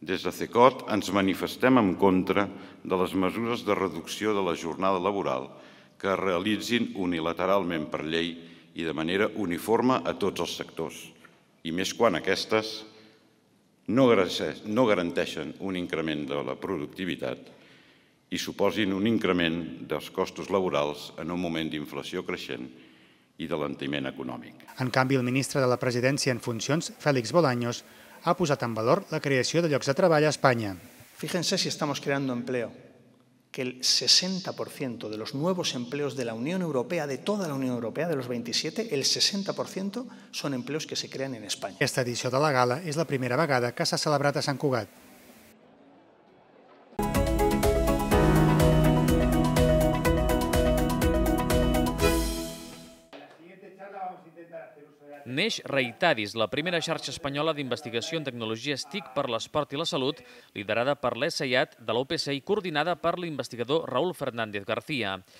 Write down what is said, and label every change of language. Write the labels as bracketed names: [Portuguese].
[Catalan] Des de CECOT ens manifestem en contra de les mesures de reducció de la jornada laboral que es realitzin unilateralment per llei i de manera uniforme a tots els sectors, i més quan aquestes no garanteixen un increment de la productivitat i suposin un increment dels costos laborals en un moment d'inflació creixent i d'alentiment econòmic. En canvi, el ministre de la Presidència en funcions, Félix Bolaños, ha posat en valor la creació de llocs de treball a Espanya. [Spanish] Fíjense si estamos creando empleo, que el 60% de los nuevos empleos de la Unión Europea, de toda la Unión Europea, de los 27, el 60% son empleos que se crean en España. [Catalan] Aquesta edició de la gala és la primera vegada que s'ha celebrat a Sant Cugat. Neix Reitadis, la primera xarxa espanyola d'investigació en tecnologia TIC per l'esport i la salut, liderada per l'ESAIAT de l'UPC i coordinada per l'investigador Raúl Fernández García.